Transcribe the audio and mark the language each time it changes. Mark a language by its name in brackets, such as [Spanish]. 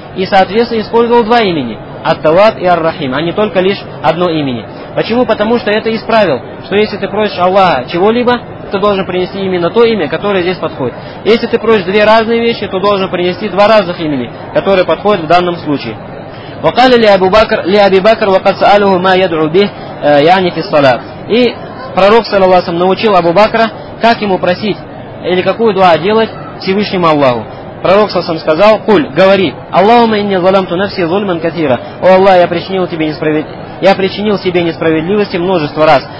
[Russian] И, соответственно, использовал два имени, «Ат-Тават» и «Ар-Рахим», а не только лишь одно имени. Почему? Потому что это из правил, что если ты просишь Аллаха чего-либо, ты должен принести именно то имя, которое здесь подходит. Если ты просишь две разные вещи, то должен принести два разных имени, которые подходят в данном случае. [Arabic] وقال لي أبي بكر وقد سأله ما يدعو به يعني في الصلاة. [Russian] И пророк саллаллаху алейхи ва саллям научил Абу Бакра, как ему просить или какую дуа делать Всевышнему Аллаху. Пророк саллаллаху алейхи ва саллям сказал: «Куль, говори: Аллахумма инни заламту нафси зульман катира». О Аллах, я причинил себе несправедливости множество раз.